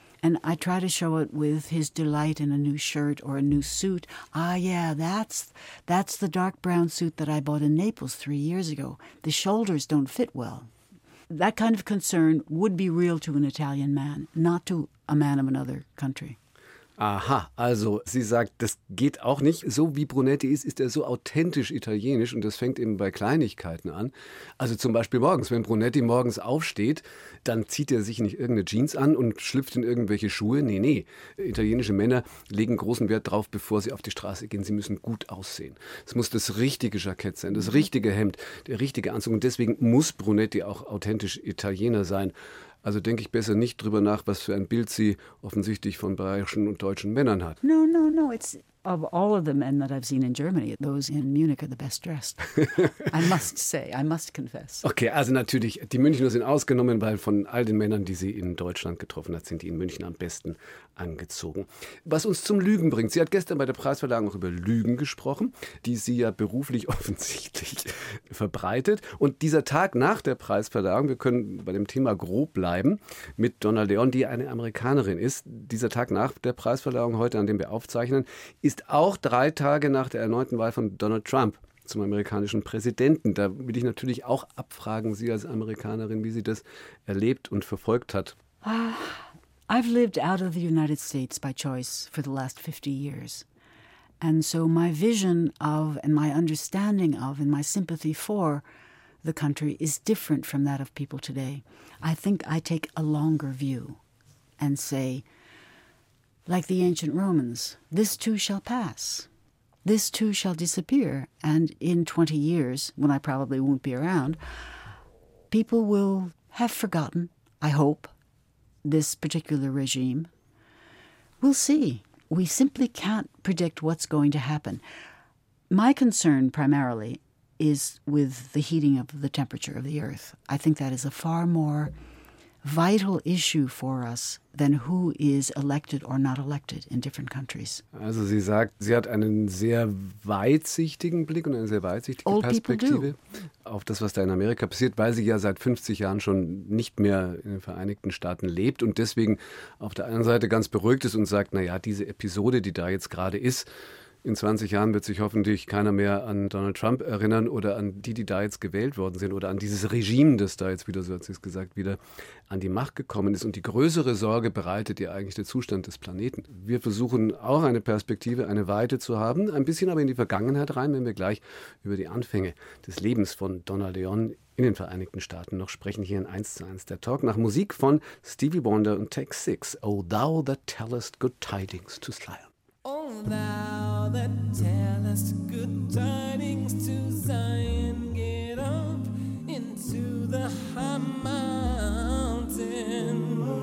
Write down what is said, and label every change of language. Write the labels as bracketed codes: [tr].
[en] And I try to show it with his delight in a new shirt or a new suit. Ah, yeah, that's the dark brown suit that I bought in Naples 3 years ago. The shoulders don't fit well. That kind of concern would be real to an Italian man, not to a man of another country. [de] Aha, also sie sagt, das geht auch nicht. So wie Brunetti ist, ist er so authentisch italienisch und das fängt eben bei Kleinigkeiten an. Also zum Beispiel morgens, wenn Brunetti morgens aufsteht, dann zieht er sich nicht irgendeine Jeans an und schlüpft in irgendwelche Schuhe. Nee, nee, italienische Männer legen großen Wert drauf, bevor sie auf die Straße gehen. Sie müssen gut aussehen. Es muss das richtige Jackett sein, das richtige Hemd, der richtige Anzug. Und deswegen muss Brunetti auch authentisch Italiener sein. Also denke ich besser nicht drüber nach, was für ein Bild sie offensichtlich von bayerischen und deutschen Männern hat. [en] No, no, no. It's of all of the men that I've seen in Germany, those in Munich are the best dressed. I must say, I must confess. [de] Okay, also natürlich, die Münchner sind ausgenommen, weil von all den Männern, die sie in Deutschland getroffen hat, sind die in München am besten angezogen. Was uns zum Lügen bringt. Sie hat gestern bei der Preisverleihung auch über Lügen gesprochen, die sie ja beruflich offensichtlich verbreitet. Und dieser Tag nach der Preisverleihung, wir können bei dem Thema grob bleiben, mit Donna Leon, die eine Amerikanerin ist, dieser Tag nach der Preisverleihung heute, an dem wir aufzeichnen, ist auch 3 Tage nach der erneuten Wahl von Donald Trump zum amerikanischen Präsidenten. Da will ich natürlich auch abfragen, Sie als Amerikanerin, wie sie das erlebt und verfolgt hat. [en] I've lived out of the United States by choice for the last 50 years. And so my vision of and my understanding of and my sympathy for the country is different from that of people today. I think I take a longer view and say, like the ancient Romans, this too shall pass. This too shall disappear. And in 20 years, when I probably won't be around, people will have forgotten, I hope, this particular regime. We'll see. We simply can't predict what's going to happen. My concern primarily is with the heating of the temperature of the earth. I think that is a far more vital issue for us than who is elected or not elected in different countries. [de] Also sie sagt, sie hat einen sehr weitsichtigen Blick und eine sehr weitsichtige [en] Old [de] Perspektive auf das, was da in Amerika passiert, weil sie ja seit 50 Jahren schon nicht mehr in den Vereinigten Staaten lebt und deswegen auf der einen Seite ganz beruhigt ist und sagt, naja, diese Episode, die da jetzt gerade ist, in 20 Jahren wird sich hoffentlich keiner mehr an Donald Trump erinnern oder an die, die da jetzt gewählt worden sind oder an dieses Regime, das da jetzt wieder, so hat sie es gesagt, wieder an die Macht gekommen ist. Und die größere Sorge bereitet ihr eigentlich der Zustand des Planeten. Wir versuchen auch eine Perspektive, eine Weite zu haben, ein bisschen aber in die Vergangenheit rein, wenn wir gleich über die Anfänge des Lebens von Donna Leon in den Vereinigten Staaten noch sprechen, hier in 1:1 der Talk nach Musik von Stevie Wonder und Take 6. [en] Oh, thou that tellest good tidings to Zion. Oh, thou that tellest good tidings to Zion, get up into the high mountain.